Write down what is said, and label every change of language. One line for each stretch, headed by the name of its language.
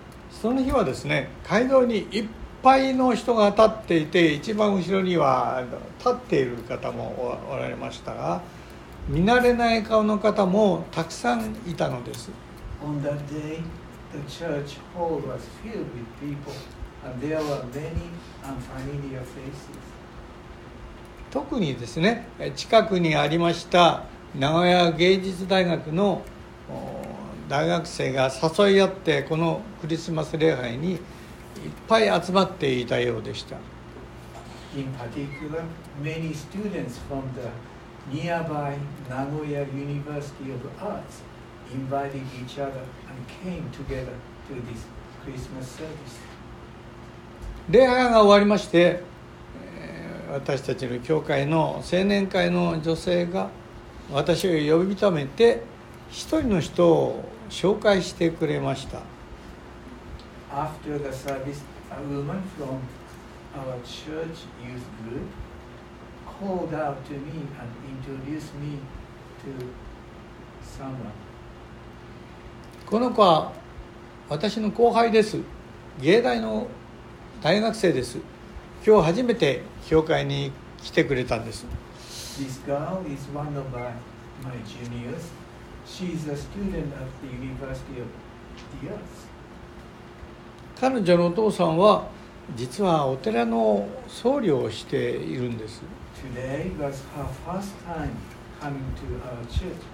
Japanese: その日はですね、街道にいっぱいの人が立っていて、一番後ろには立っている方もおられましたが、見慣れない顔の方もたくさんいたのです。
English: On that day,The church hall was filled with people, and there were many unfamiliar faces.
Japanese: 特にですね、近くにありました名古屋芸術大学の大学生が誘い合ってこのクリスマス礼拝にいっぱい集まっていたようでした。
English: In particular, many students from the nearby Nagoya University of Arts. Inviting each other and came together to this Christmas service.
Japanese: 礼拝が終わりまして、私たちの教会の青年会の女性が私を呼び止めて一人の人を紹介してくれました。
English: After the service, a woman from our church youth group called out to me and introduced me to someone.
Japanese: この子は私の後輩です。芸大の大学生です。今日初めて教会に来てくれたんです。
English: This girl is one of my juniors. She's a student at the University of the Arts.
Japanese: 彼女のお父さんは実はお寺の僧侶をしているんです。
English: Today was her first time coming to our church.